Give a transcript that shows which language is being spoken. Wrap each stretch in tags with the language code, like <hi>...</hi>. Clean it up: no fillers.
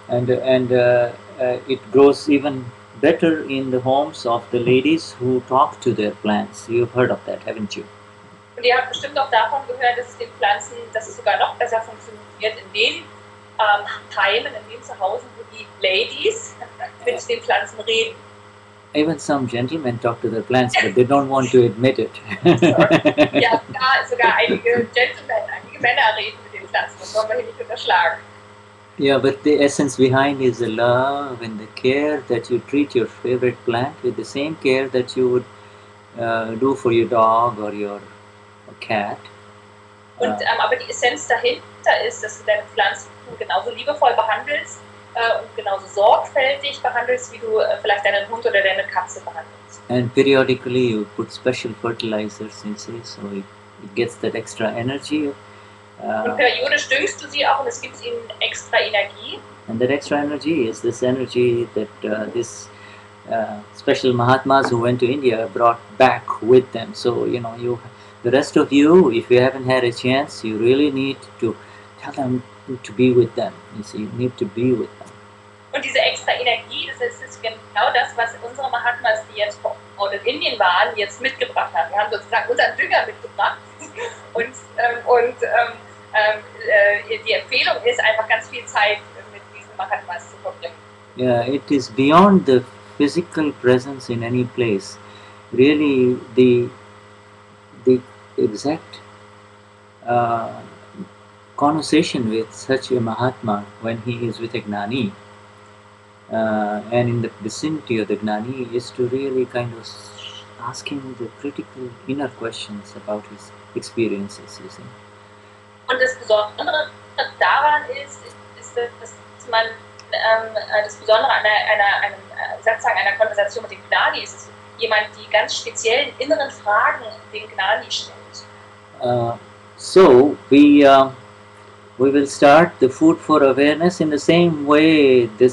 <en>And it grows even better in the homes of the ladies who talk to their plants. You've heard of that, haven't you?</en> <de>Und ihr habt bestimmt auch davon gehört, dass es den Pflanzen, dass es sogar noch besser funktioniert in den Heimen, in den Zuhause, wo die Ladies mit den Pflanzen reden.</de> <en>Even some gentlemen talk to their plants, but they don't want to admit it.</en> <de>Ja, sogar einige Gentlemen, einige Männer reden mit den Pflanzen, das wollen wir hier nicht unterschlagen.</de> <en>Yeah, but the essence behind is the love and the care that you treat your favorite plant with the same care that you would do for your dog or your cat.</en> <de>Und aber die Essenz dahinter ist, dass du deine Pflanzen genauso liebevoll behandelst und genauso sorgfältig behandelst, wie du vielleicht deinen Hund oder deine Katze behandelst.</de> <en>And periodically you put special fertilizers in, see, so it gets that extra energy.</en> <de>Und periodisch düngst du sie auch und es gibt ihnen extra Energie.</de> <en>And that extra energy is this energy that this special Mahatmas who went to India brought back with them. So, you know, the rest of you, if you haven't had a chance, you really need to tell them to be with them. You see, you need to be with them.</en> <de>Und diese extra Energie, das ist genau das, was unsere Mahatmas, die jetzt vor Ort in Indien waren, jetzt mitgebracht haben. Wir haben sozusagen unseren Dünger mitgebracht. Die Empfehlung ist einfach ganz viel Zeit mit diesen Mahatmas zu verbringen.</de> <en>Yeah, it is beyond the physical presence in any place. Really, the exact conversation with such a Mahatma when he is with a Gnani and in the vicinity of the Gnani is to really kind of asking the critical inner questions about his experiences, you see.</en> <de>Und das Besondere daran ist, dass man, das Besondere einer Konversation mit dem Gnani ist, jemand, die ganz speziellen inneren Fragen den Gnani stellt.</de> <en>So we will start the food for awareness in the same way.</en>